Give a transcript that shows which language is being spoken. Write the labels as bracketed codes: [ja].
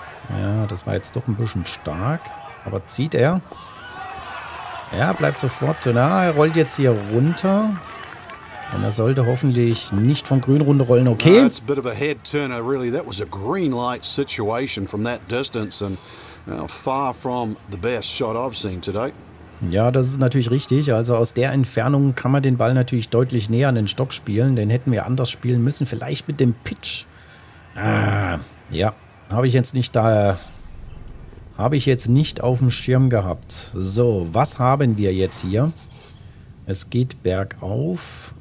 [de] Ja, das war jetzt doch ein bisschen stark. Aber zieht er? Ja, bleibt sofort. Na, er rollt jetzt hier runter. Und er sollte hoffentlich nicht von grün runterrollen, okay? [en] That's a bit of a head turner, really. That was a green light situation from that distance. And far from the best shot I've seen today. [de] Ja, das ist natürlich richtig. Also aus der Entfernung kann man den Ball natürlich deutlich näher an den Stock spielen. Den hätten wir anders spielen müssen. Vielleicht mit dem Pitch. Ja, habe ich jetzt nicht da. Habe ich jetzt nicht auf dem Schirm gehabt. So, was haben wir jetzt hier? Es geht bergauf.